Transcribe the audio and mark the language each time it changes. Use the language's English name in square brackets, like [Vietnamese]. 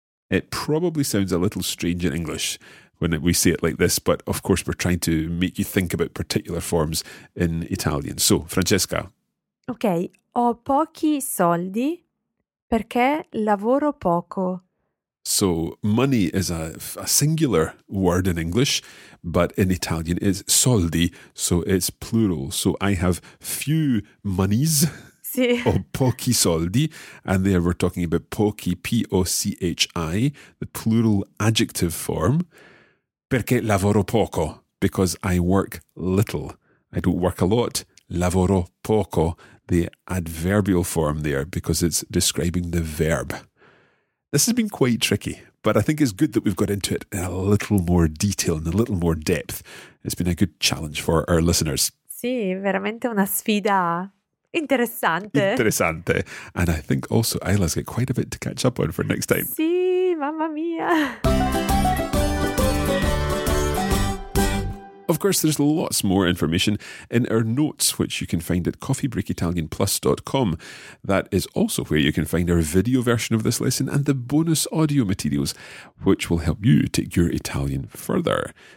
[English] It probably sounds a little strange in English when we say it like this, but of course we're trying to make you think about particular forms in Italian. So, Francesca. [Italian] Okay, ho pochi soldi perché lavoro poco. [English] So money is a singular word in English, but in Italian it's soldi, so it's plural. So I have few monies, [Italian] sì, [English] or [Italian] pochi soldi, [English] and there we're talking about pochi, P-O-C-H-I, the plural adjective form. [Italian] Perché lavoro poco. [English] Because I work little. I don't work a lot. [Italian] Lavoro poco. [English] The adverbial form there, because it's describing the verb. This has been quite tricky, but I think it's good that we've got into it in a little more detail, in a little more depth. It's been a good challenge for our listeners. [Italian] Sì, veramente una sfida interessante. Interessante. [English] And I think also Ayla's got quite a bit to catch up on for next time. [Italian] Sì, mamma mia. [English] Of course, there's lots more information in our notes, which you can find at coffeebreakitalianplus.com. That is also where you can find our video version of this lesson and the bonus audio materials, which will help you take your Italian further.